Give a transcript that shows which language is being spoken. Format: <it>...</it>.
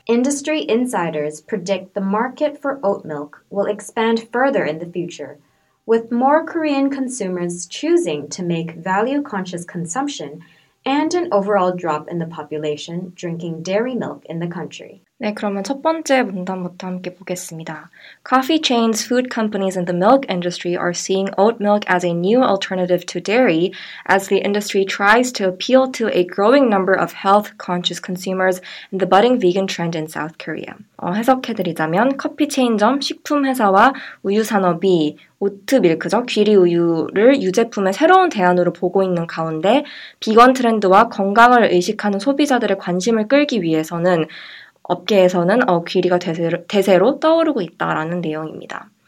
<en>Industry insiders predict the market for oat milk will expand further in the future, with more Korean consumers choosing to make value-conscious consumption and an overall drop in the population drinking dairy milk in the country.</en> <ko>네, 그러면 첫 번째 문단부터 함께 보겠습니다.</ko> <en>Coffee chains, food companies, and the milk industry are seeing oat milk as a new alternative to dairy as the industry tries to appeal to a growing number of health-conscious consumers and the budding vegan trend in South Korea.</en> <ko>해석해드리자면 커피 체인점, 식품 회사와 우유 산업이 오트 밀크죠, 귀리 우유를 유제품의 새로운 대안으로 보고 있는 가운데 비건 트렌드와 건강을 의식하는 소비자들의 관심을 끌기 위해서는 업계에서는 귀리가 대세로 떠오르고 있다라는 내용입니다.</ko>